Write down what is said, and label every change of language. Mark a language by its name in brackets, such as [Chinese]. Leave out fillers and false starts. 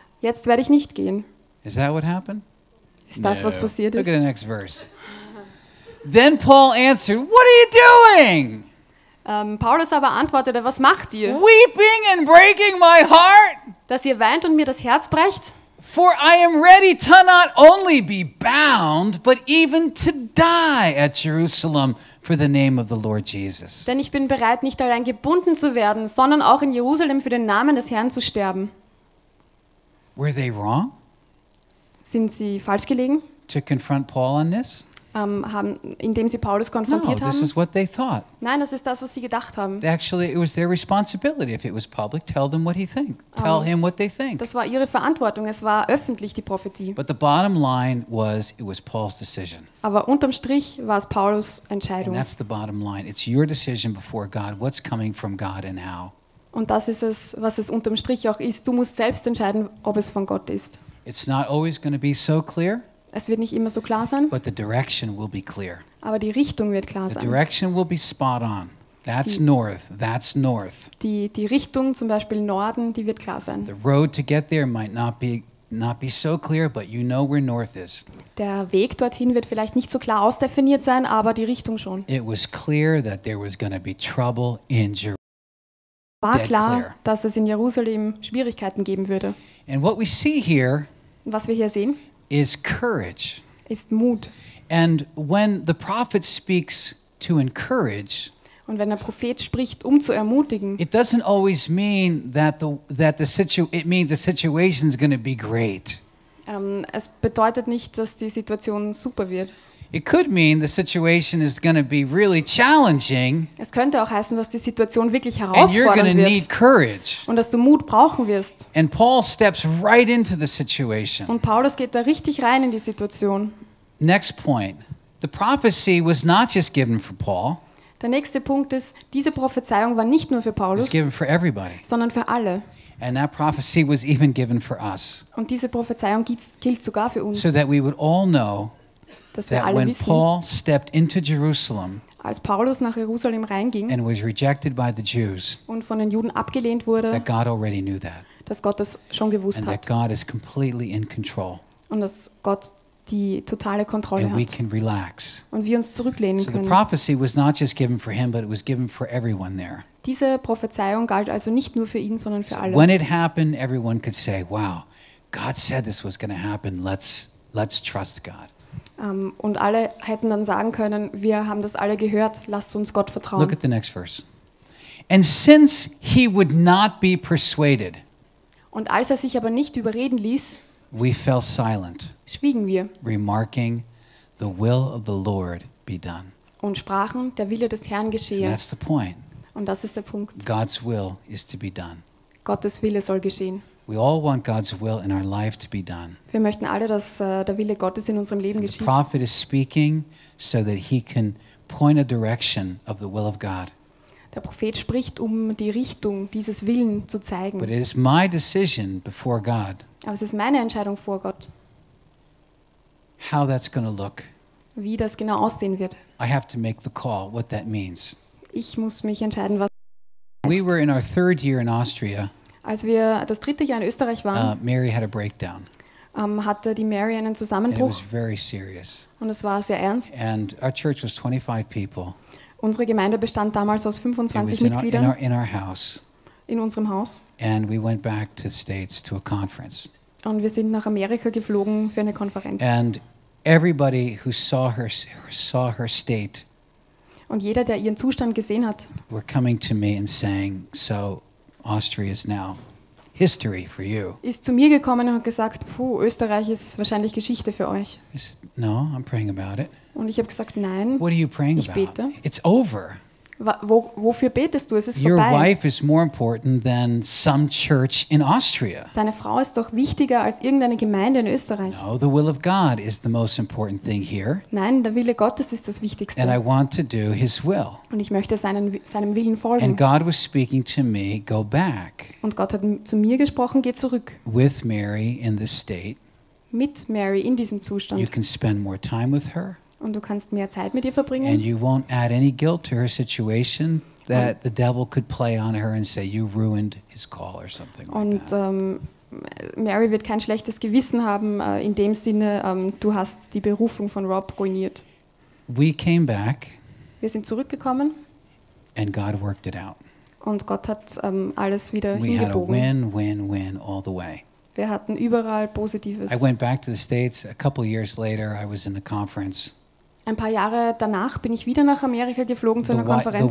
[German] Jetzt werde ich nicht gehen. [English] Is that what happened? [German] Ist das, [English] no. [German] Was passiert ist? [English] Look at the next verse. Then Paul answered, what are you doing? [German] Paulus aber antwortete, was macht ihr? [English] Weeping and breaking my heart? [German] Dass ihr weint und mir das Herz brecht? [English] For I am ready to not only be bound, but even to die at Jerusalem. For the name of the Lord Jesus. [German] Denn ich bin bereit, nicht allein gebunden zu werden, sondern auch in Jerusalem für den Namen des Herrn zu sterben. [English] Were they wrong? [German] Sind sie falsch gelegen? [English] To confront Paul on this? [German] Indem sie Paulus konfrontiert [English] no, this [German] haben? [English] Is what they thought. [German] Nein, das ist das, was sie gedacht haben. [English] Actually, it was their responsibility. If it was public, tell them what he think. Tell him what they think. [German] Das war ihre Verantwortung. Es war öffentlich die Prophetie. [English] But the bottom line was, it was Paul's decision. [German] Aber unterm Strich war es Paulus Entscheidung. [English] And that's the bottom line. It's your decision before God. What's coming from God and how? [German] Und das ist es, was es unterm Strich auch ist. Du musst selbst entscheiden, ob es von Gott ist. [English] It's not always going to be so clear. [German] Es wird nicht immer so klar sein. [English] But the direction will be clear. [German] Aber die Richtung wird klar sein. [English] The direction will be spot on. That's north. That's north. [German] Die Richtung, zum Beispiel Norden, die wird klar sein. [English] The road to get there might not be so clear, but you know where north is. [German] Der Weg dorthin wird vielleicht nicht so klar ausdefiniert sein, aber die Richtung schon. [English] It was clear that there was going to be trouble in Jerusalem. [German] War klar, dass es in Jerusalem Schwierigkeiten geben würde. [English] And what we see here. [German] Was wir hier sehen. [English] Is courage. [German] Ist Mut. [English] And when the prophet speaks to encourage, [German] und wenn der Prophet spricht, zu ermutigen, [English] it doesn't always mean it means the situation is going to be great. [German] Es bedeutet nicht, dass die Situation super wird. [English] It could mean the situation is going to be really challenging. [German] Es könnte auch heißen, dass die Situation wirklich herausfordernd wird. [English] And you're going to need courage. [German] Und dass du Mut brauchen wirst. [English] And Paul steps right into the situation. [German] Und Paulus geht da richtig rein in die Situation. [English] Next point. The prophecy was not just given for Paul. [German] Der nächste Punkt ist, diese Prophezeiung war nicht nur für Paulus, [English] given for everybody. [German] Sondern für alle. [English] And that prophecy was even given for us. [German] Und diese Prophezeiung gilt sogar für uns. [English] So that we would all know that when [German] wissen, [English] Paul stepped into Jerusalem, [German] als Paulus nach Jerusalem reinging, [English] and was rejected by the Jews, [German] und von den Juden abgelehnt wurde, [English] that God already knew that, [German] dass Gott das schon gewusst [English] and [German] hat, [English] that God is completely in control, [German] und dass Gott die totale Kontrolle [English] and [German] hat, [English] we can relax, [German] und wir uns zurücklehnen [English] so [German] können. [English] So the prophecy was not just given for him, but it was given for everyone there. [German] Diese Prophezeiung galt also nicht nur für ihn, sondern für alle. [English] When it happened, everyone could say, "Wow, God said this was going to happen. Let's trust God." [German] Und alle hätten dann sagen können, wir haben das alle gehört, lasst uns Gott vertrauen. [English] Look at the next verse. And since he would not be persuaded, [German] und als er sich aber nicht überreden ließ, [English] we fell silent, [German] schwiegen wir, [English] remarking, the will of the Lord be done. [German] Und sprachen, der Wille des Herrn geschehe. [English] And that's the point. [German] Und das ist der Punkt. [English] God's will is to be done. [German] Gottes Wille soll geschehen. [English] We all want God's will in our life to be done. [German] Wir möchten alle, dass der Wille Gottes in unserem Leben geschieht. [English] The prophet is speaking so that he can point a direction of the will of God. [German] Der Prophet spricht, um die Richtung dieses Willen zu zeigen. [English] But it is my decision before God. [German] Aber es ist meine Entscheidung vor Gott. [English] How that's going to look. [German] Wie das genau aussehen wird. [English] I have to make the call, what that means. [German] Ich muss mich entscheiden, was. [English] We were in our third year in Austria. [German] Als wir das dritte Jahr in Österreich waren, [English] Mary had a breakdown. [German] Hatte die Mary einen Zusammenbruch. [English] And it was very serious. [German] Und es war sehr ernst. [English] And our church was 25 people. [German] Unsere Gemeinde bestand damals aus 25 Mitgliedern. In unserem Haus. [English] And we went back to the States to a conference. [German] Und wir sind nach Amerika geflogen für eine Konferenz. [English] And everybody who saw her state. [German] Und jeder, der ihren Zustand gesehen hat, [English] were coming to me and saying, so Austria is now history for you. [German] Ist zu mir gekommen und hat gesagt, puh, Österreich ist wahrscheinlich Geschichte für euch. [English] I said, no, I'm praying about it. [German] Und ich habe gesagt, nein. [English] What are you praying about? [German] Ich bete. [English] It's over. [German] Wofür betest du? Es ist vorbei. [English] Your wife is more important than some church in Austria. [German] Deine Frau ist doch wichtiger als irgendeine Gemeinde in Österreich. [English] No, the will of God is the most important thing here. [German] Nein, der Wille Gottes ist das Wichtigste. [English] And I want to do His will. [German] Und ich möchte seinem Willen folgen. [English] And God was speaking to me, go back. [German] Und Gott hat zu mir gesprochen, geh zurück. [English] With Mary in this state. [German] Mit Mary in diesem Zustand. [English] You can spend more time with her. [German] Und du kannst mehr Zeit mit ihr verbringen. [English] And you won't add any guilt to her situation that the devil could play on her and say you ruined his call or something. [German] Und [English] like that. [German] Mary wird kein schlechtes Gewissen haben in dem Sinne, du hast die Berufung von Rob ruiniert. [English] We came back. [German] Wir sind zurückgekommen. [English] And God worked it out. [German] Und Gott hat alles wieder [English] we [German] hingebogen. [English] We had a win-win-win all the way. [German] Wir hatten überall Positives. [English] I went back to the States a couple years later. I was in the conference. [German] Ein paar Jahre danach bin ich wieder nach Amerika geflogen zu einer Konferenz.